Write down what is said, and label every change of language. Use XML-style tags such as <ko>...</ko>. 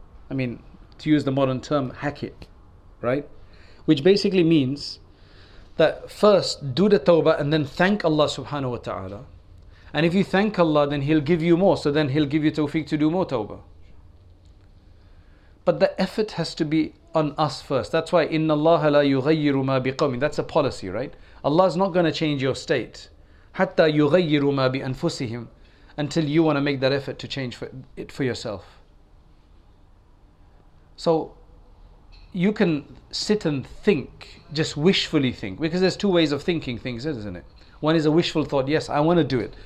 <en>I mean, to use the modern term, hack it, right? Which basically means that first do the tawbah and then thank Allah subhanahu wa ta'ala. And if you thank Allah, then He'll give you more. So then He'll give you tawfiq to do more tawbah. But the effort has to be on us first. That's why,</en> <ar>إِنَّ اللَّهَ لَا يُغَيِّرُ مَا بِقَوْمٍ.</ar> <en>That's a policy, right? Allah is not going to change your state.</en> <ar>حَتَّى يُغَيِّرُ مَا بِأَنفُسِهِمْ.</ar> <en>Until you want to make that effort to change it for yourself. So, you can sit and think, just wishfully think. Because there's two ways of thinking things, isn't it? One is a wishful thought. Yes, I want to do it.</en>